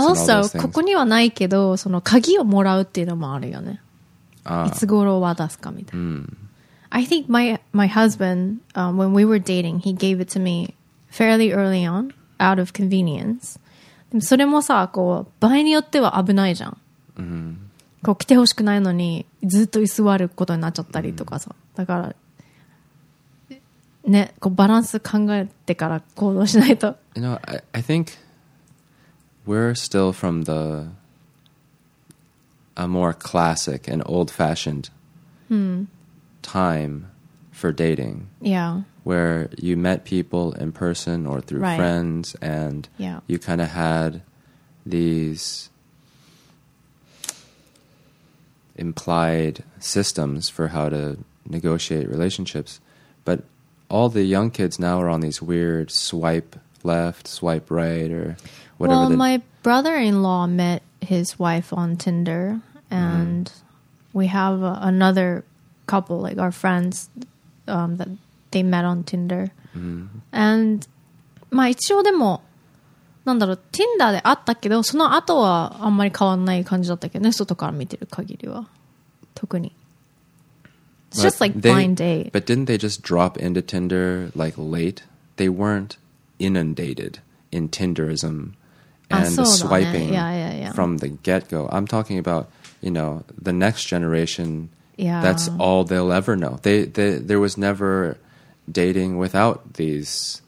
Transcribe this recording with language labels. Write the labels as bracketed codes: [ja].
[ja] Also, ここにはないけどその鍵をもらうっていうのもあるよね、いつ頃を渡すかみたいな。 [en] I think my husband, when we were dating, he gave it to me fairly early onout of convenience. [ja] でもそれもさ、こう場合によっては危ないじゃん、 mm-hmm. こう来てほしくないのにずっと居座ることになっちゃったりとかさ、mm-hmm. だからね、こうバランス考えてから行動しないと。 [en] You know, I think we're still from the a more classic and old-fashioned、 mm-hmm. time for dating. Yeah. Where you met people in person or through right. friends and yeah. you kind of had these implied systems for how to negotiate relationships. But all the young kids now are on these weird swipe left, swipe right, or whatever. Well, my brother-in-law met his wife on Tinder, and we have another couple, like our friends, that they met on Tinder. [ja] And, まあ一応でも、なんだろう、Tinder で会ったけど、その後はあんまり変わんない感じだったけどね、外から見てる限りは。特に。 [en] It's just like blind date. But didn't they just drop into Tinder like late? They weren't inundated in Tinderism and the swiping from the get-go. I'm talking about, you know, the next generation. Yeah. That's all they'll ever know. There was never dating without these